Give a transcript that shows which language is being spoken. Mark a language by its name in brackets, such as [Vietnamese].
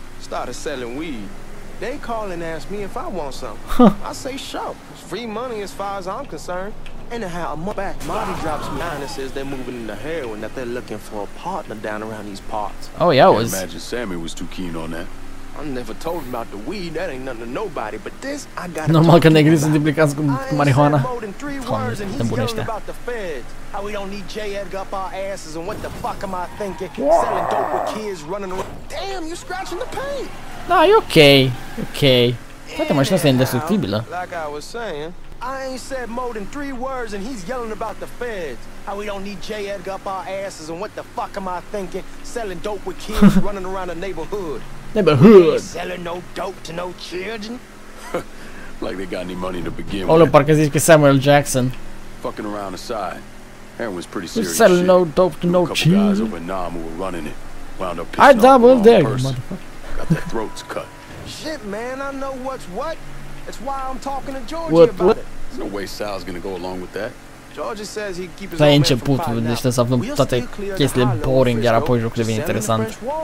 [English] Started selling weed. They call and ask me if I want some. I say sure. It's free money as far as I'm concerned. Anyhow, a month back, Marty drops me and says they're moving into heroin, that they're looking for a partner down around these parts. Oh yeah, it was. Can't imagine Sammy was too keen on that. I never told him about the weed. That ain't nothing to nobody. But this, I got. [Romanian] Normal că negrii sunt implicați cu marihuana. [English] Bunește. How we don't need J. Edgar up our asses and what the fuck am I thinking? Wow. Selling dope with kids running around. Damn, you scratching the paint. Nah, you okay? Okay. [Romanian] Toată mașina asta e indestructibilă. [English] Like I was saying, I ain't said more than three words and he's yelling about the feds. How we don't need J. Edgar up our asses and what the fuck am I thinking? Selling dope with kids running around a neighborhood. Neighborhood. Selling no dope to no children. Like they got any money to begin with. [Romanian] Olo, parcă zici că Samuel Jackson. [English] Fucking around aside. Heroin was pretty serious. Selling no dope to no children. Guys were running it. Wound up pissing off the wrong person. Got their throats cut. Shit, man, I know what's what. That's why I'm talking to Georgie about it. There's no way Sal's gonna go along with that. [Romanian] La început, deci trebuie să aflăm toate chestiile boring, iar apoi jocul devine interesant.